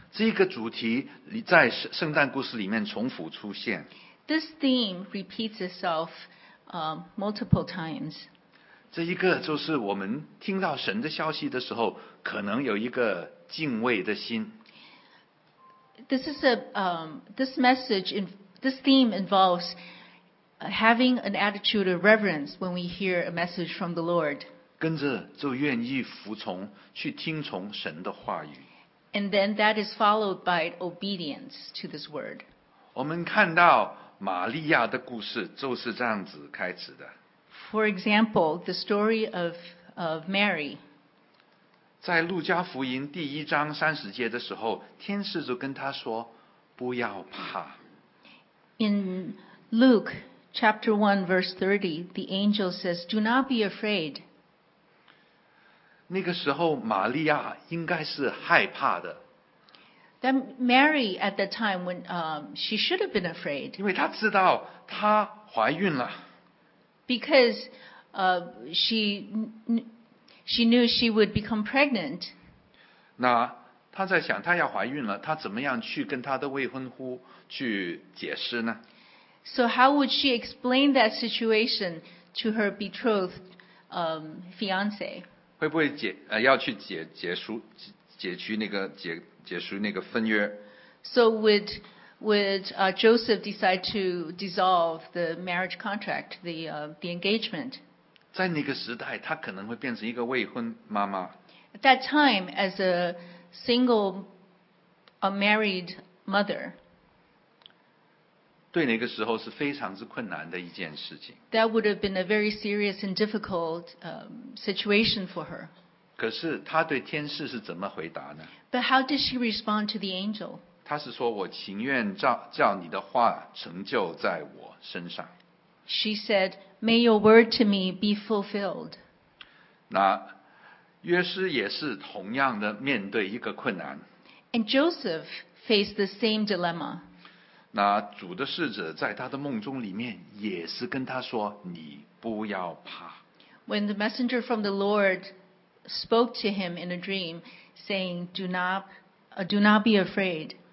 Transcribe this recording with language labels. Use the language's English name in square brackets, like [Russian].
[Chinese] 这个主题在圣诞故事里面重复出现。 [English] This theme repeats itself multiple times. [Chinese] 这一个就是我们听到神的消息的时候，可能有一个敬畏的心。 [English] This is this theme involves having an attitude of reverence when we hear a message from the Lord. [Chinese] 跟着就愿意服从，去听从神的话语。 [English] And then that is followed by obedience to this word. [Chinese] 我们看到玛利亚的故事就是这样子开始的。 [English] For example, the story of Mary. [Chinese] 在路加福音第一章三十节的时候，天使就跟他说：“不要怕。” [English] In Luke chapter 1 verse 30, the angel says, "Do not be afraid." [Chinese] 那个时候玛利亚应该是害怕的。 [English] Then Mary at the time when she should have been afraid. [Chinese] 因为她知道她怀孕了。 [English] Because she knew she would become pregnant. [Chinese] 那她在想她要怀孕了，她怎么样去跟她的未婚夫去解释呢？ [English] So how would she explain that situation to her betrothed fiance? [Chinese] 会不会要去解除那个婚约 [English] ？So would Joseph decide to dissolve the marriage contract, the engagement? [Chinese] 在那个时代，她可能会变成一个未婚妈妈。 [English] At that time, as a single, a married mother, [Chinese] 对那个时候是非常之困难的一件事情。 [English] That would have been a very serious and difficult situation for her. [Chinese] 可是她对天使是怎么回答呢？ [English] But how did she respond to the angel? [Chinese] 她是说我情愿 叫你的话成就在我身上。 [English] She said, May your word to me be fulfilled. [Chinese] 那约瑟也是同样的面对一个困难。 [English] And Joseph faced the same dilemma. [Chinese] 那主的使者在他的梦中里面也是跟他说：“你不要怕。” [English] When the messenger from the Lord spoke to him in a dream, saying, "Do not be afraid."